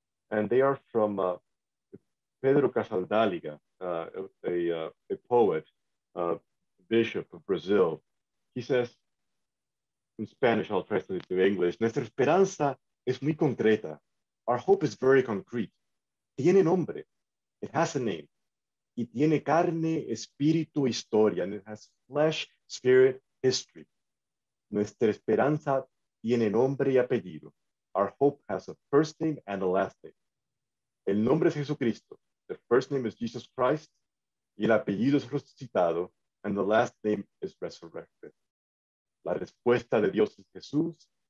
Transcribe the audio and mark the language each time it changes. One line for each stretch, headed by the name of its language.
English: And they are from Pedro Casaldáliga, a poet, bishop of Brazil. He says, in Spanish, I'll translate it to English,
Spanish: "Nuestra esperanza es muy concreta."
English: Our hope is very concrete.
Spanish: Tiene nombre.
English: It has a name.
Spanish: Y tiene carne, espíritu, historia.
English: And it has flesh, spirit, history.
Spanish: Nuestra esperanza tiene nombre y apellido.
English: Our hope has a first name and a last name.
Spanish: El nombre es Jesucristo.
English: The first name is Jesus Christ.
Spanish: Y el apellido es resucitado.
English: And the last name is resurrected.
Spanish: La respuesta de Dios es Jesús.